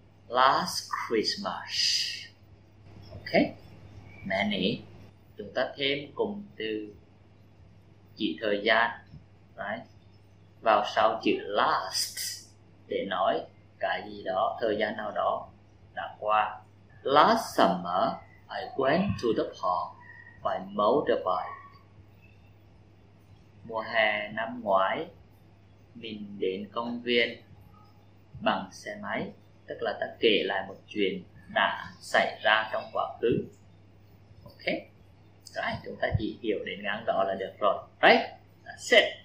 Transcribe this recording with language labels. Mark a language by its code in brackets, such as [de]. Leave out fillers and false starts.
[en] Last Christmas. Ok. Many. [vi] Chúng ta thêm cụm từ chỉ thời gian, right, vào sau chữ last để nói cái gì đó, thời gian nào đó đã qua. [en] Last summer, I went to the park by motorbike. [vi] Mùa hè năm ngoái, mình đến công viên bằng xe máy. Tức là ta kể lại một chuyện đã xảy ra trong quá khứ. Ok. Rồi, chúng ta chỉ hiểu đến ngang đó là được rồi. [en] Right. That's it.